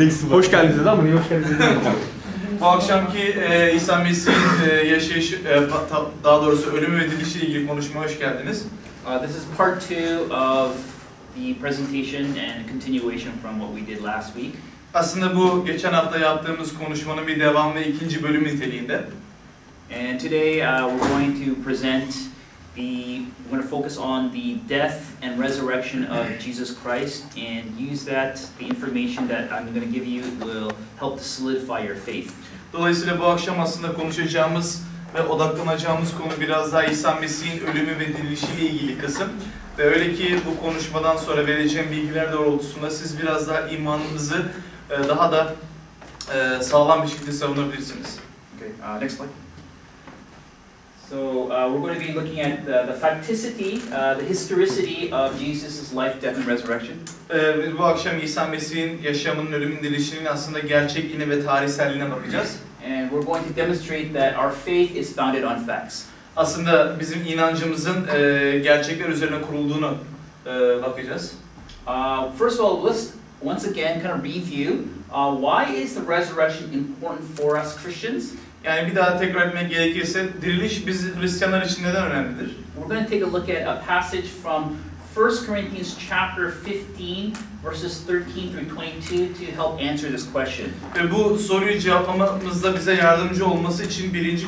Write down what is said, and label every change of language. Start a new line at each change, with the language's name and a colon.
Turkish: Hoş geldiniz dedi ama niye hoş geldiniz dedi? Bu akşamki İsa Mesih'in daha doğrusu ölümü ve dirilişiyle ilgili konuşmaya hoş geldiniz.
English: This is part 2 of the presentation and continuation from what we did last week.
Turkish: Aslında bu geçen hafta yaptığımız konuşmanın bir devam ve ikinci bölüm niteliğinde.
English: And today we're going to present we're going to focus on the death and resurrection of Jesus Christ and use that, the information that I'm going to give you will help to solidify your faith.
Turkish: Dolayısıyla bu akşam aslında konuşacağımız ve odaklanacağımız konu biraz daha İsa Mesih'in ölümü ve dirilişiyle ilgili kısım. Ve öyle ki bu konuşmadan sonra vereceğim bilgiler doğrultusunda siz biraz daha imanınızı daha da sağlam bir şekilde savunabilirsiniz.
English: Okay, next slide. So we're going to be looking at the facticity, the historicity of Jesus' life, death, and resurrection.
Turkish: Bu akşam İsa Mesih'in yaşamının, ölümünün, dirilişinin aslında gerçekliğine ve tarihselliğine bakacağız.
English: And we're going to demonstrate that our faith is founded on facts.
Turkish: Aslında bizim inancımızın gerçekler üzerine kurulduğunu bakacağız.
English: First of all, let's once again kind of review why is the resurrection important for us Christians?
Turkish: Yani bir daha tekrar etmek gerekirse, diriliş biz Hristiyanlar için neden önemlidir?
English: We're going to take a look at a passage from 1 Corinthians chapter 15, verses 13 through 22 to help answer this question.
Turkish: Ve bu soruyu cevaplamamızda bize yardımcı olması için 1.